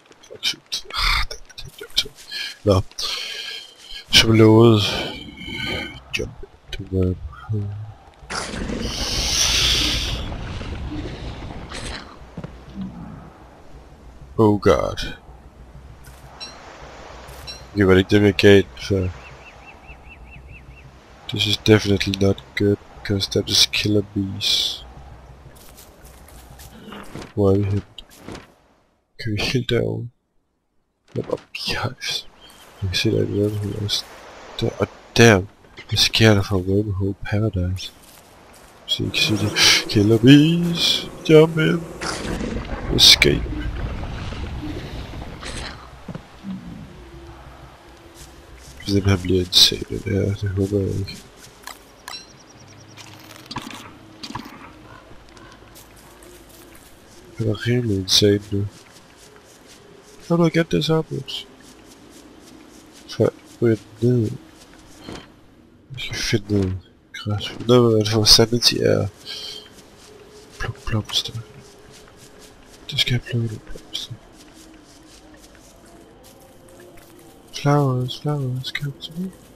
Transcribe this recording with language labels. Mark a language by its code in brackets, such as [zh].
[en] Fuck, shoot. Nå. [da] Som lovet. [en] Jump to the... Oh god. [da] Okay, var det ikke dem jeg gav, så... [en] This is definitely not good, because that is killer bees. [da] Hvor er vi hen? Kan vi helt derovre? Hvad var bjergs? Jeg kan se, der er et wormhole også. Der, og der! Hvad sker der for wormhole paradise? Så I kan se det. [en] Killer bees! Jump in! Escape! [da] Hvis den her bliver insane, den her, det håber jeg ikke. Han er rimelig insane nu. [en] How do I get this upwards? [da] Så ryger den ned. Jeg skal finde noget græs. Noget med hvad for sanity er. Pluk blomster. Det skal jeg plukke nogle blomster. [en] Flowers, flowers, come to me.